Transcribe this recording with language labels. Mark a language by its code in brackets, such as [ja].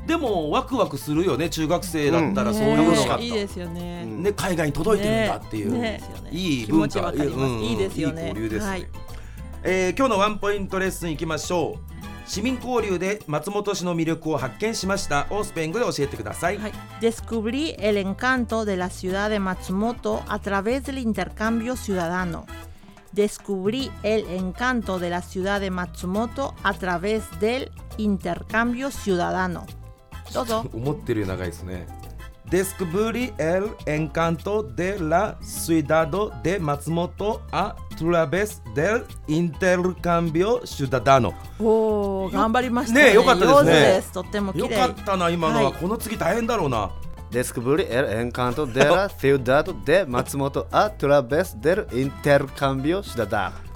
[ja] でもワクワクするよね、中学生だったら、うん、そういうのが、いいですよ ね、ね、海外に届いてるんだっていう、ね、いい文化、気持ち分かります、いいですよね、いい交流ですね、はい。今日のワンポイントレッスンいきましょう。市民交流で松本市の魅力を発見しましたをスペイン語で教えてください。はい。 [es] Descubrí el encanto de la ciudad de Matsumoto a través del intercambio ciudadano. Descubrí el encanto de la ciudad de Matsumoto a través del intercambio ciudadano. [ja] どうぞ。思ってるより長いですね。 [es] Descubrí el encanto de la ciudad de Matsumoto a través del intercambio ciudadano。 [ja] おー、頑張りましたね。ね、よかったですね。上手です、とっても綺麗。よかったな、今のは、はい、この次大変だろうな。 [es] Descubrí el encanto de la ciudad de Matsumoto a través del intercambio ciudadano。